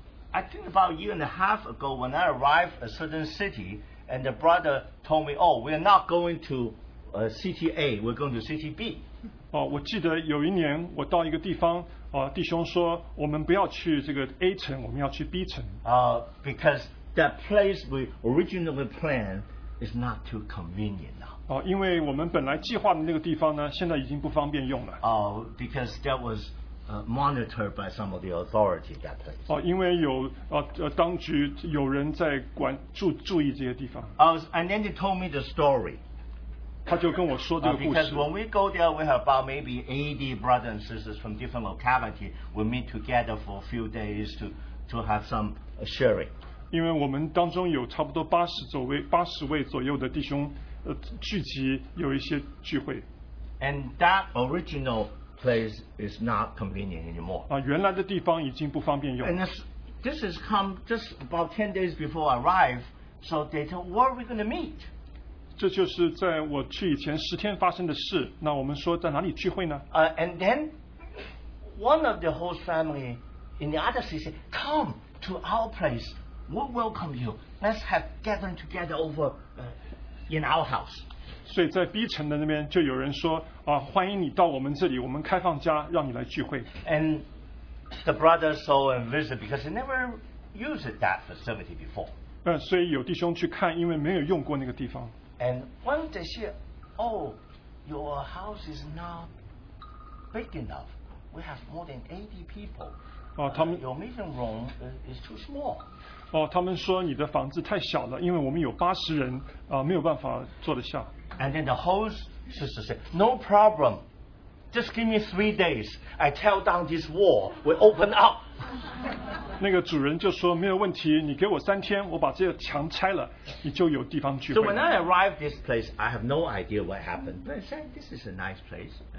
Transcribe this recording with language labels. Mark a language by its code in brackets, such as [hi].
[en] I think about a year and a half ago when I arrived at a certain city and the brother told me, oh, we're not going to city A, we're going to city B. [zh] 我记得有一年我到一个地方，弟兄说我们不要去这个A城，我们要去B城。 [en] Because that place we originally planned is not too convenient now. [zh] 因为我们本来计划的那个地方呢，现在已经不方便用了。 [en] Because that was monitored by some of the authority at that place. [zh] 因为有当局有人在注意这些地方。 [en] And then they told me the story. [zh] 他就跟我说这个故事。 [en] Because when we go there, we have about maybe 80 brothers and sisters from different localities. We meet together for a few days to have some sharing. [zh] 因为我们当中有差不多80位左右的弟兄聚集，有一些聚会。 [en] And that original place is not convenient anymore. [zh] 原来的地方已经不方便用。 [en] And this has come just about 10 days before I arrived, so they tell, where are we going to meet? [zh] 这就是在我去以前10天发生的事, 那我们说在哪里聚会呢? [en] And then one of the host family in the other city said, come to our place, we welcome you, let's have gathering together over in our house. [zh] 所以在B城的那边就有人说, 欢迎你到我们这里, 我们开放家, 让你来聚会。 [en] And the brother saw and visited because he never used that facility before. [zh] 所以有弟兄去看, 因为没有用过那个地方。 [en] And when they said, oh, your house is not big enough, we have more than 80 people. [zh] 他们, [en] your meeting room is too small. [zh] 他们说你的房子太小了, 因为我们有80人, 没有办法坐得下。 [en] And then the host sister said, no problem. Just give me 3 days. I tear down this wall. We open up. [zh] 那个主人就说, 没有问题, 你给我3天, 我把这个墙拆了, 你就有地方聚会。 [en] So when I arrived this place, I have no idea what happened. But I said, this is a nice place.